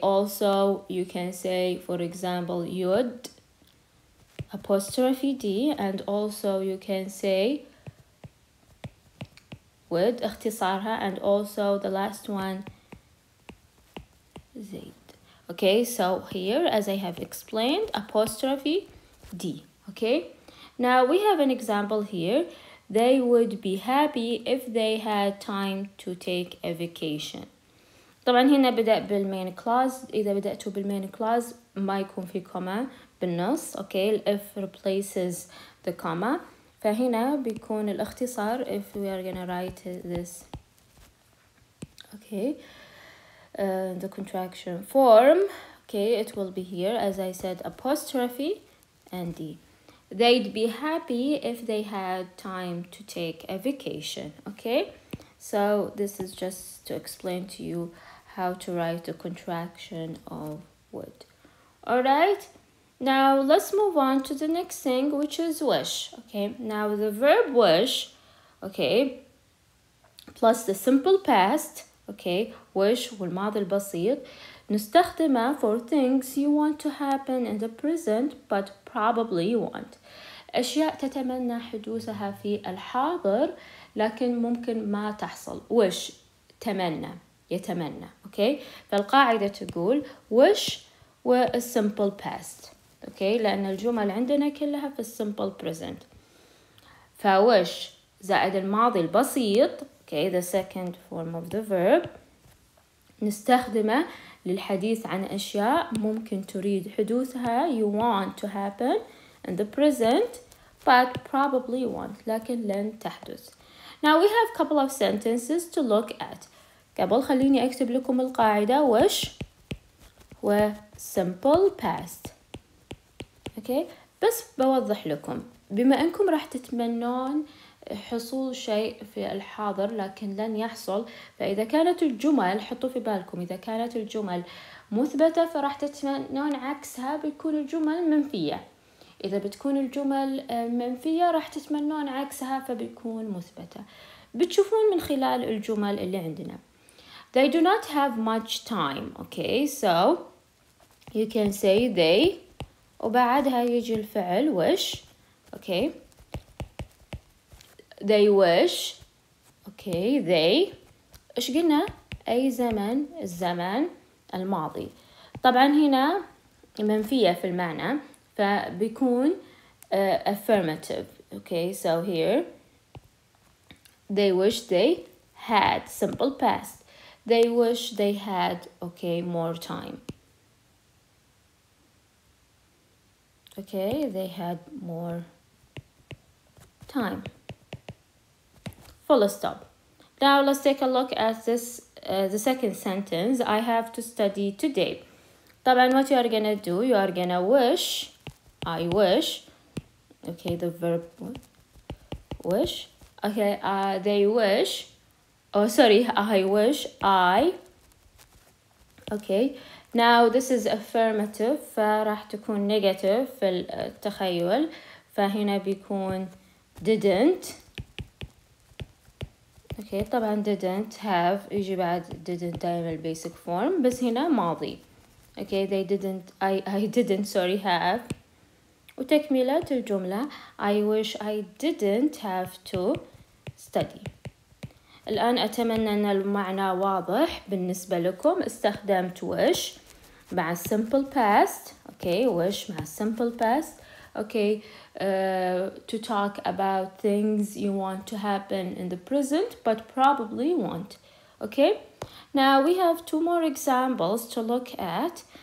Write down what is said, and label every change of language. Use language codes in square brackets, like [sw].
[en] Also, you can say, for example, yud, apostrophe D, and also you can say [ar] ود اختصارها, [en] and also the last one زيد. Okay, so here, as I have explained, apostrophe D. Okay, now we have an example here. They would be happy if they had time to take a vacation. [ar] طبعا هنا بدأ بالمين كلاس. إذا بدأت بالمين كلاس ما يكون في كوما بالنص. [en] Okay, if replaces the comma. [ar] فهنا بيكون الاختصار [en] if we are gonna write this. Okay. The contraction form. Okay, it will be here, as I said, apostrophe and D. They'd be happy if they had time to take a vacation. Okay. So this is just to explain to you how to write the contraction of would. All right. Now let's move on to the next thing, which is wish. Okay, now the verb wish, okay, plus the simple past, okay, wish [ar] والماضي البسيط, نستخدمه [en] for things you want to happen in the present but probably you won't. [ar] أشياء تتمنى حدوثها في الحاضر لكن ممكن ما تحصل. Wish, تمنى, يتمنى. [en] Okay, [ar] فالقاعدة تقول [en] wish was a simple past. [ar] Okay, لأن الجمل عندنا كلها في [en] simple present. [ar] فوش زائد الماضي البسيط. [en] Okay, the second form of the verb. [ar] نستخدمه للحديث عن أشياء ممكن تريد حدوثها. [en] You want to happen in the present, but probably won't. [ar] لكن لن تحدث. [en] Now we have a couple of sentences to look at. [ar] قبل خليني أكتب لكم القاعدة. وش هو [en] simple past. Okay. [ar] بس بوضح لكم, بما أنكم راح تتمنون حصول شيء في الحاضر لكن لن يحصل, فإذا كانت الجمل, حطوا في بالكم, إذا كانت الجمل مثبتة فراح تتمنون عكسها بيكون الجمل منفية. إذا بتكون الجمل منفية راح تتمنون عكسها فبيكون مثبتة. بتشوفون من خلال الجمل اللي عندنا. [en] They do not have much time. Okay, so you can say they, [ar] وبعدها يجي الفعل [en] wish. Okay, they wish. Okay, they, [ar] إيش قلنا؟ أي زمن؟ الزمن الماضي. طبعا هنا منفية في المعنى فبيكون affirmative. [en] Okay, so here they wish they had, simple past, they wish they had, okay, more time. Okay, they had more time. Full stop. Now let's take a look at this, the second sentence. I have to study today. طبعا what you are gonna do, you are gonna wish, I wish. Okay, the verb wish. Okay, they wish. Oh, sorry, I wish, I. Okay. Now this is affirmative, [ar] فراح تكون [en] negative [ar] في التخيل, فهنا بيكون [en] didn't. [ar] Okay, طبعا [en] didn't have, [ar] يجي بعد didn't دائما [en] basic form, [ar] بس هنا ماضي. [en] Okay, they didn't, I didn't sorry have. [ar] وتكملة الجملة, [en] I wish I didn't have to study. [ar] الآن أتمنى أن المعنى واضح بالنسبة لكم. استخدمت wish مع simple past. [en] Okay, wish مع simple past. Okay, to talk about things you want to happen in the present but probably won't. Okay, now we have two more examples to look at.